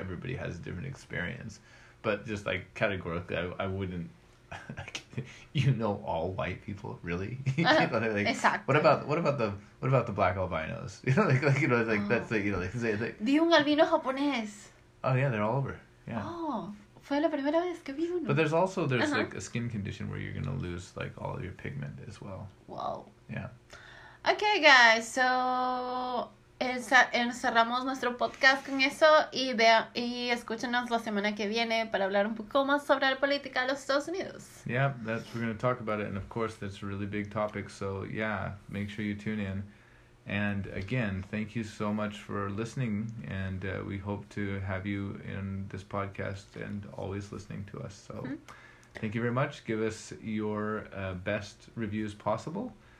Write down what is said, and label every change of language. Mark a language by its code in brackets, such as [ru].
[en] everybody has a different experience. But just, like, categorically, I wouldn't, like, you know, all white people, really? like, exactly. What about the black albinos? You know, like you know, like, oh. that's, like, you know, like, say, like... [es] Vi un albino japonés. [en] Oh, yeah, they're all over, yeah. [es] Oh, fue la primera vez que vi uno. [en] But there's uh-huh. like, a skin condition where you're gonna lose, like, all of your pigment as well. Wow. Yeah. Okay, guys, so [es] encerramos nuestro podcast con eso y escúchenos la semana que viene para hablar un poco más sobre la política de los Estados Unidos. [en] Yeah, that's, we're going to talk about it, and of course that's a really big topic, so yeah, make sure you tune in. And again, thank you so much for listening, and we hope to have you in this podcast and always listening to us. So thank you very much. Give us your best reviews possible.